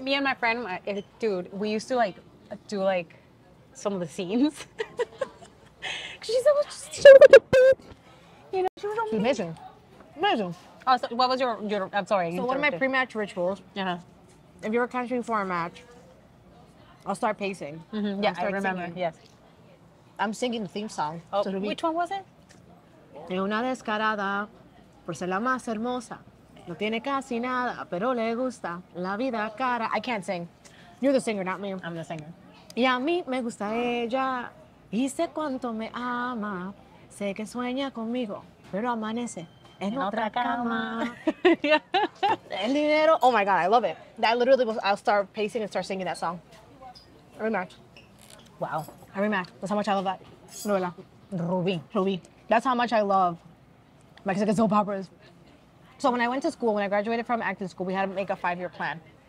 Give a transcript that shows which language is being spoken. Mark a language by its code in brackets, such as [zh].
[en] Me and my friend, dude, we used to, like, do, like, some of the scenes. She's so... You know, she was amazing. Amazing. Oh, so what was your I'm sorry. So one of my pre-match rituals. Yeah. If you were catching for a match, I'll start pacing. Mm-hmm. Yeah, start I remember. Singing. Yes. I'm singing the theme song. Oh, so which one was it? [es] De una descarada, por ser la más hermosa. No tiene casi nada, pero le gusta la vida cara. [en] I can't sing. You're the singer, not me. I'm the singer. [es] Y a mí me gusta ella. Y sé cuánto me ama. Sé que sueña conmigo, pero amanece en otra cama. El dinero. [en] Oh my God, I love it. That literally was, I'll start pacing and start singing that song. Every match. Wow. Every match. That's how much I love that. [es] Novela. [en] Ruby. That's how much I love Mexican soap operas. So when I went to school, when I graduated from acting school, we had to make a 5-year plan.